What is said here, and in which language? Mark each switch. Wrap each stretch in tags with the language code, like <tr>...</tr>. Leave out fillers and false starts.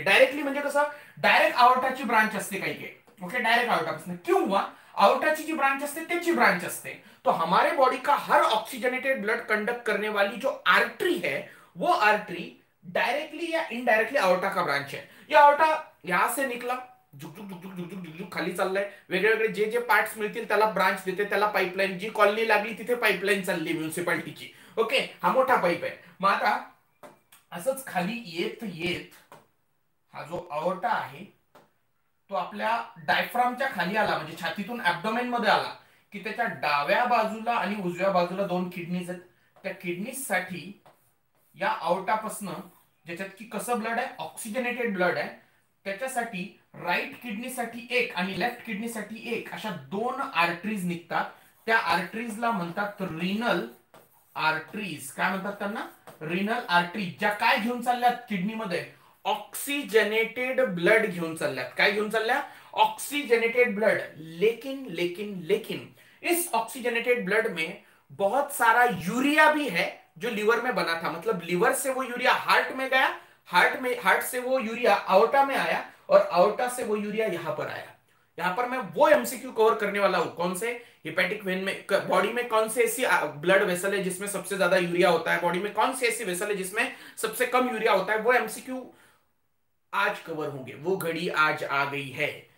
<mr>Directly म्हणजे कसं, direct aortaची branch असते काही काही, ओके, डायरेक्ट aorta पासून, किंवा aortaची जी ब्रांच असते त्याची ब्रांच असते।</mr> <hi>तो हमारे बॉडी का हर ऑक्सीजनेटेड ब्लड कंडक्ट करने वाली जो आर्टरी है वो आर्टरी डायरेक्टली या इनडायरेक्टली aorta का ब्रांच है।</hi> <mr>ये aorta यहां से निकला, झुक झुक झुक झुक झुक झुक झुक खाली चाललंय, वेगळे वेगळे जे जे पार्ट्स मिळतील त्याला ब्रांच देते, त्याला पाइपलाइन, जी कॉलनी लागली तिथे पाइपलाइन चालली म्युनिसिपालिटीची। ओके हा मोठा पाइप आहे, मग आता असंच खाली येत येत हा जो aorta आहे तो आपल्या डायफ्रामच्या खाली आला, म्हणजे छातीतून ऍब्डोमेन मध्ये आला की त्याच्या डाव्या बाजूला आणि उजव्या बाजूला 2 किडनीज आहेत। त्या किडनीज साठी या aorta पासून ज्याच्यात की कसं ब्लड आहे, ऑक्सिजनेटेड ब्लड आहे, त्याच्यासाठी राईट किडनीसाठी एक आणि लेफ्ट किडनीसाठी एक अशा 2 आर्टरीज निघतात। त्या आर्टरीजला म्हणतात रिनल आर्टरीज, काय म्हणतात त्यांना, रिनल आर्टरीज, ज्या काय घेऊन चालल्यात किडनीमध्ये, ऑक्सिजनेटेड ब्लड घेऊन चालल्यात, काय घेऊन चालल्या, ऑक्सिजनेटेड ब्लड।</mr> <hi>लेकिन लेकिन लेकिन इस ऑक्सिजनेटेड ब्लड में बहुत सारा यूरिया भी है जो लिवर में बना था, मतलब लिवर से वो यूरिया हार्ट में गया, हार्ट से वो यूरिया aorta में आया और aorta से वो यूरिया यहां पर आया। यहां पर मैं वो एमसीक्यू कवर करने वाला हूं, कौन से हिपेटिक वेन में, बॉडी में कौन से ऐसी ब्लड वेसल है जिसमें सबसे ज्यादा यूरिया होता है, बॉडी में कौन सी ऐसी वेसल है जिसमें सबसे कम यूरिया होता है, वो एमसीक्यू आज कवर होंगे, वो घड़ी आज आ गई है।</hi>